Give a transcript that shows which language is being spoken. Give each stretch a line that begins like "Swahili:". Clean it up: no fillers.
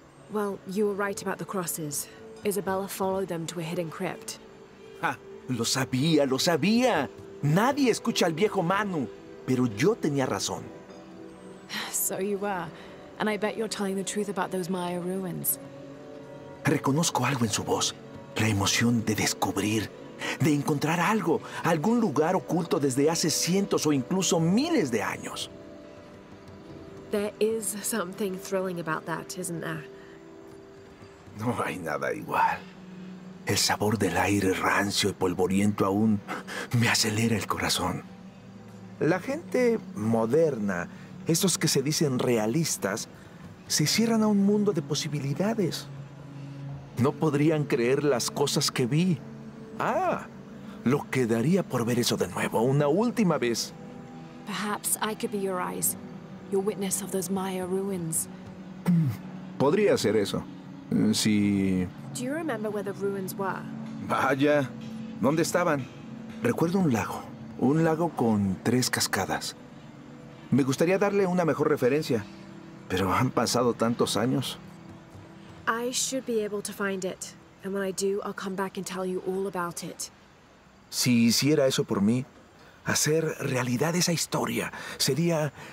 English: Well, you were right about the crosses. Isabella followed them to a hidden crypt.
Spanish: ¡Ja! ¡Lo sabía, lo sabía! Nadie escucha al viejo Manu. Pero yo tenía razón.
English: So you were. And I bet you're telling the truth about those Maya ruins.
Spanish: Reconozco algo en su voz. La emoción de descubrir, de encontrar algo, algún lugar oculto desde hace cientos o incluso miles de años.
English: There is something thrilling about that, isn't there?
Spanish: No hay nada igual. El sabor del aire rancio y polvoriento aún me acelera el corazón. La gente moderna, esos que se dicen realistas, se cierran a un mundo de posibilidades. No podrían creer las cosas que vi. ¡Ah! Lo quedaría por ver eso de nuevo, una última vez.
English: Perhaps I could be your eyes, your witness of those Maya ruins.
Spanish: Podría ser eso. Si...
English: Do you remember where the ruins were?
Spanish: Vaya, ¿dónde estaban? Recuerdo un lago. Un lago con tres cascadas. Me gustaría darle una mejor referencia, pero han pasado tantos años.
English: I should be able to find it. And when I do, I'll come back and tell you all about it.
Spanish: Si hiciera eso por mí, hacer realidad esa historia sería...